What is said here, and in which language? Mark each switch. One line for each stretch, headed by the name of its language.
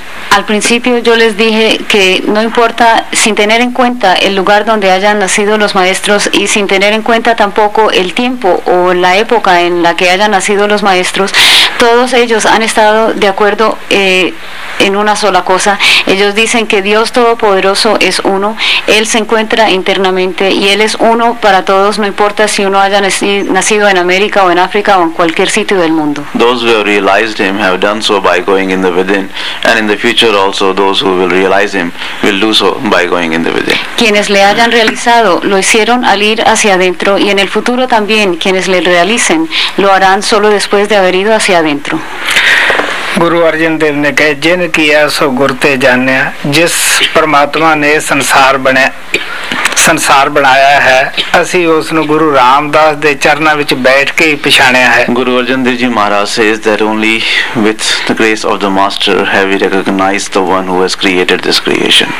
Spanish: Al principio yo les dije que no importa, sin tener en cuenta el lugar donde hayan nacido los maestros y sin tener en cuenta tampoco el tiempo o la época en la que hayan nacido los maestros, todos ellos han estado de acuerdo en una sola cosa. Ellos dicen que Dios Todopoderoso es uno, Él se encuentra internamente y Él es uno para todos, no importa si uno haya nacido en América o en África o en cualquier sitio del mundo.
English: Those who have realized Him have done so by going in the within, and in the future also those who will realize Him will do so by going in the within.
Spanish: Quienes le hayan realizado lo hicieron al ir hacia adentro, y en el futuro también quienes le realicen lo harán solo después de haber ido hacia adentro.
Punjabi: Guru Arjan Dev ਨੇ ਕਿਹਾ ਜਿਨ ਕੀਆ ਸੋ ਗੁਰ ਤੇ ਜਾਣਿਆ। ਜਿਸ ਪਰਮਾਤਮਾ ਨੇ ਸੰਸਾਰ ਬਣਾਇਆ ਹੈ ਅਸੀਂ ਉਸ ਨੂੰ ਗੁਰੂ ਰਾਮਦਾਸ ਦੇ ਚਰਨਾਂ ਵਿੱਚ ਬੈਠ ਕੇ ਹੀ ਪਛਾਣਿਆ ਹੈ।
English: Guru Arjan Dev ji Maharaj says that only with the grace of the master have we recognized the one who has created this creation.